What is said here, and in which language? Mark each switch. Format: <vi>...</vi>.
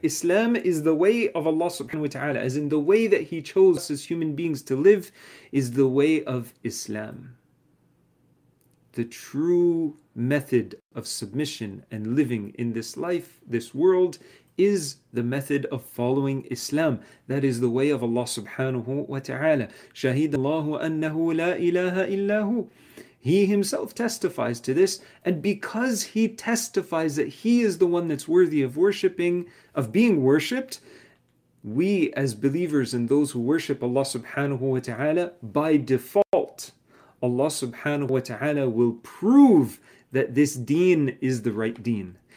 <en>Islam is the way of Allah subhanahu wa ta'ala, as in the way that he chose us as human beings to live is the way of Islam. The true method of submission and living in this life, this world, is the method of following Islam. That is the way of Allah subhanahu wa ta'ala.</en> <ar>شهد الله أنه لا إله إلا هو.</ar> <en>He himself testifies to this, and because he testifies that he is the one that's worthy of worshipping, of being worshipped, we as believers and those who worship Allah subhanahu wa ta'ala, by default, Allah subhanahu wa ta'ala will prove that this deen is the right deen.</en>